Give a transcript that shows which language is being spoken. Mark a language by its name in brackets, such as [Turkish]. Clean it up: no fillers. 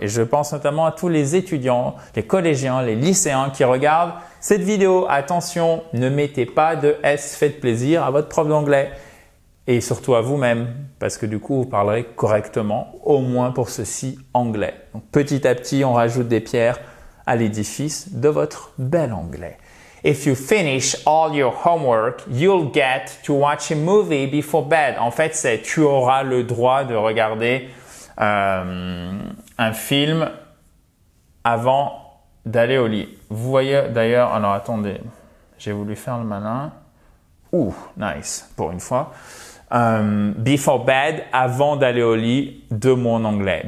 [French] Et je pense notamment à tous les étudiants, les collégiens, les lycéens qui regardent cette vidéo. Attention, ne mettez pas de S. Faites plaisir à votre prof d'anglais. Et surtout à vous-même, parce que du coup, vous parlerez correctement, au moins pour ceci, anglais. Donc, petit à petit, on rajoute des pierres à l'édifice de votre bel anglais. [English] If you finish all your homework, you'll get to watch a movie before bed. [French] En fait, c'est tu auras le droit de regarder un film avant d'aller au lit. Vous voyez d'ailleurs, alors attendez, j'ai voulu faire le malin. Ouh, nice, pour une fois. [English] Before bed, [French] avant d'aller au lit, de mon anglais.